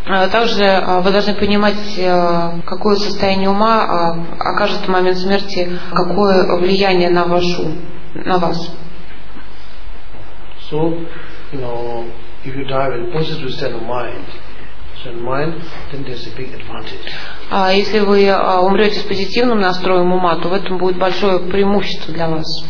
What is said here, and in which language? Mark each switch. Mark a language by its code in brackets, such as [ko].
[ru] Также вы должны понимать, какое состояние ума окажет в момент смерти, какое влияние на ваш ум, на вас. [en] So, you know, if you die in positive state of mind, then there's a big advantage. [ru] Если вы умрете с позитивным настроем ума, то в этом будет большое преимущество для вас.